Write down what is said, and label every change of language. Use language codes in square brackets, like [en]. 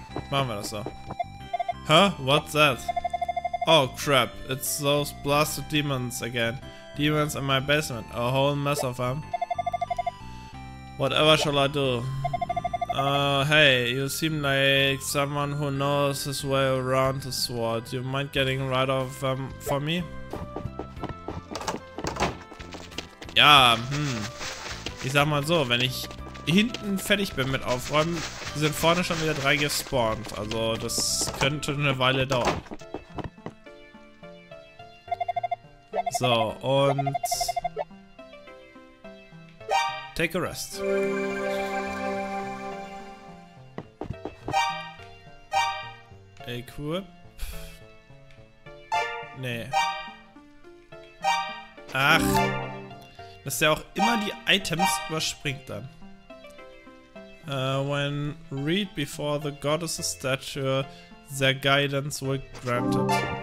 [de] Machen wir das so. [en] Huh? What's that? Oh crap, it's those blasted demons again. Demons in my basement. A whole mess of them. Whatever shall I do? Hey, you seem like someone who knows his way around the sword. Do you mind getting rid of them for me? Yeah, [de] Ich sag mal so, wenn ich hinten fertig bin mit Aufräumen, sind vorne schon wieder drei gespawnt. Also das könnte eine Weile dauern. So, und... [en] Take a rest. Equip. [de] Nee. Ach. Dass der auch immer die Items überspringt dann. [en] When read before the goddess' statue, their guidance will granted.